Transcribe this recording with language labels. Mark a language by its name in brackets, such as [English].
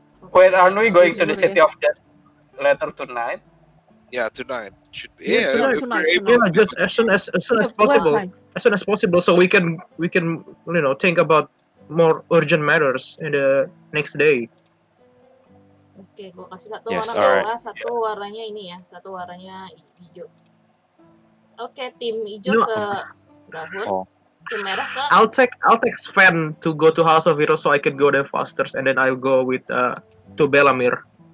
[English] Well, aren't we going to the City of Death later tonight? Yeah, tonight. Should be. Just as soon as possible. As soon as possible, so we can, you know, think about more urgent matters in the next day. [Indonesian] Oke, gue kasih satu warna merah, satu warnanya ini ya, satu warnanya hijau. Oke, tim hijau ke Grauhun, tim merah ke. [English] I'll take Sven to go to House of Heroes so I can go there faster, and then I'll go with to Belamir.